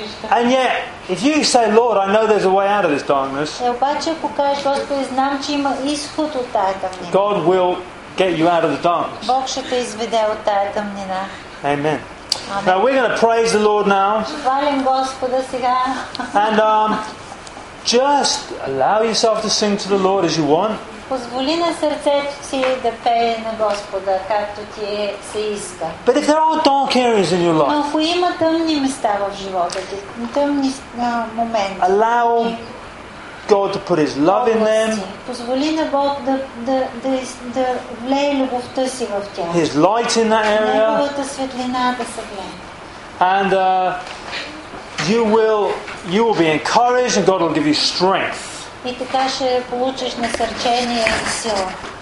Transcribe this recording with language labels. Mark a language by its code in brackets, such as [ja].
[en] And yet, if you say, Lord, I know there's a way out of this darkness, God will get you out of the darkness. Amen. Now we're going to praise the Lord now. And just allow yourself to sing to the Lord as you want. [bg] Позволи на сърцето си да пее на Господа, както ти се иска. [en] But if there are dark areas in your life, [bg] но ако има тъмни места в живота ти, тъмни моменти, [en] allow God to put His love in them. [bg] Позволи на Бог да влее любовта си в тях. [en] His light in that area. [bg] Неговата светлина да се влее. [en] And you will be encouraged, and God will give you strength. [bg] И така ще получиш насърчение и сила.